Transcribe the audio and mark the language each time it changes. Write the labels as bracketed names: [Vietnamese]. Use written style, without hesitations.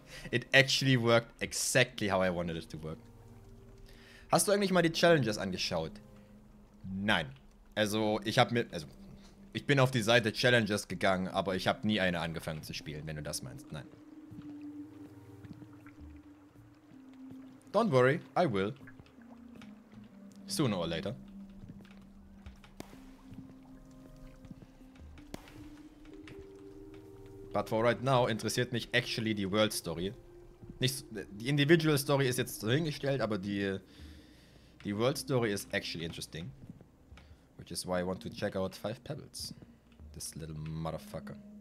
[English] It actually worked exactly how I wanted it to work. [German] Hast du eigentlich mal die Challenges angeschaut? Nein. Also, ich bin auf die Seite Challenges gegangen, aber ich habe nie eine angefangen zu spielen, wenn du das meinst. Nein. [English] Don't worry, I will. Sooner or later. But for right now interessiert mich actually die World Story. [German] Die Individual Story ist jetzt dahingestellt, aber die World Story ist actually interesting. [English] Which is why I want to check out Five Pebbles. This little motherfucker.